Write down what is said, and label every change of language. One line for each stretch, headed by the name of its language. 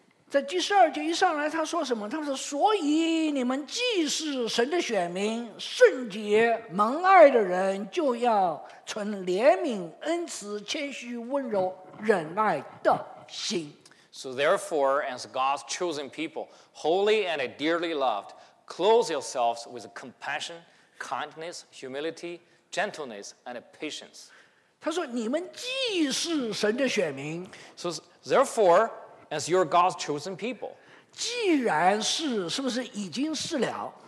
Chinese: 在第十二节一上来他说什么他说所以你们既是神的选民圣洁蒙爱的人就要存怜悯恩慈谦虚温柔忍耐的心。
English: So therefore, as God's chosen people, holy and dearly loved,Close yourselves with compassion, kindness, humility, gentleness, and patience.
Chinese: 他说你们既是神的选民。
English: So therefore, as you're God's chosen people.
Chinese: 既然是，是不是已经是了？